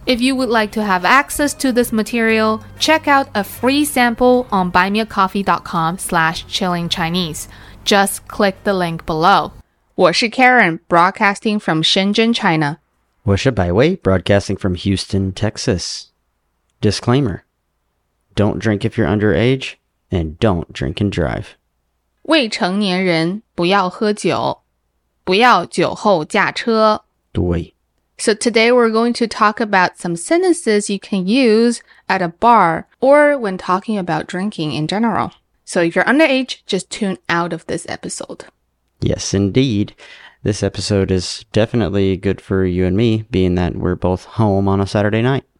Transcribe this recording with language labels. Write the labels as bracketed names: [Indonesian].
[English] If you would like to have access to this material, check out a free sample on buymeacoffee.com/chillingchinese. Just click the link below. [Chinese] 我是 [English] Karen, broadcasting from Shenzhen, China. [Chinese] 我是 [English] Baiwei, broadcasting from Houston, Texas. Disclaimer, don't drink if you're underage, and don't drink and drive. [Chinese] 未成年人不要喝酒,不要酒后驾车。对。 [English] So today we're going to talk about some sentences you can use at a bar or when talking about drinking in general. So if you're underage, just tune out of this episode. Yes, indeed. This episode is definitely good for you and me, being that we're both home on a Saturday night.